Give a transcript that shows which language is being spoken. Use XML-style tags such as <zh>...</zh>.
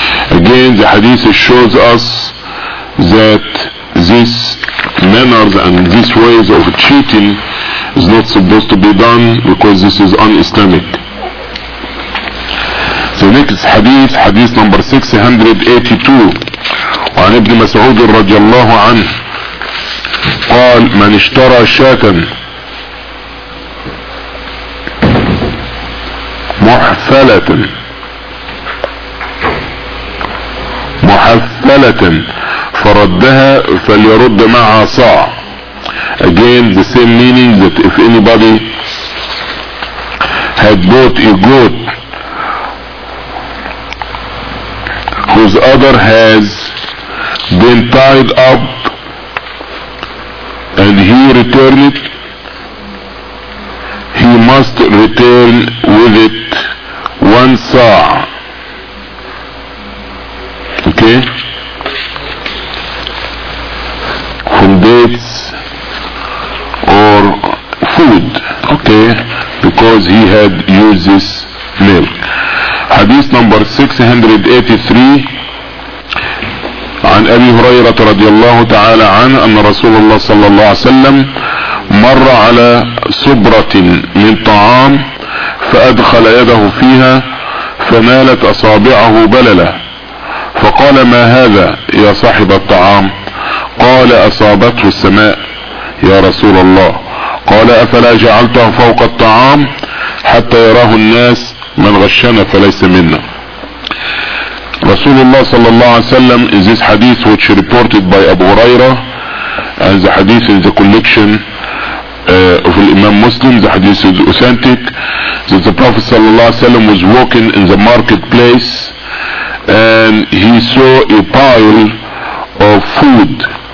<en>again the hadith shows us that this manners and these ways of cheating is not supposed to be done because this is un-Islamic. The next hadith, hadith number 682</en> <ar>عن ابن مسعود رضي الله عنه قال من اشترى شاتا محفلة محفلة فردها فليرد معها صاع</ar> <en>again the same meaning that if anybody had bought a goat whose other has been tied up, and he returned it, he must return with it one saw. Okay? From dates or food. Okay? Because he had used this milk. Hadith number 683</en> <ar>عن أبي هريرة رضي الله تعالى عنه أن رسول الله صلى الله عليه وسلم مر على سبرة من طعام فأدخل يده فيها فنالت أصابعه بللة فقال ما هذا يا صاحب الطعام؟ قال أصابته السماء يا رسول الله. قال أفلا جعلته فوق الطعام حتى يراه الناس؟ من غشنا فليس منا. رسول الله صلى الله عليه وسلم,</ar> <en>in this hadith which reported by Abu Huraira and the hadith in the collection of Imam Muslim, the hadith is authentic, that the Prophet</en> <ar>صلى الله عليه وسلم</ar> <en>was walking in the marketplace and he saw a pile of food,</en>